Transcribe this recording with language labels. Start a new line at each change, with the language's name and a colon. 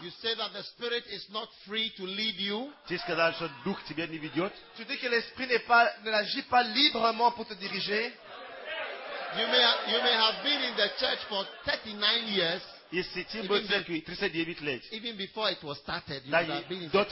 English: You say that the spirit is not free to lead you.
French: Tu dis que l'esprit n'agit pas librement pour te diriger.
English: You may have been in the church for 39 years. Even before it was started, you have been in the church.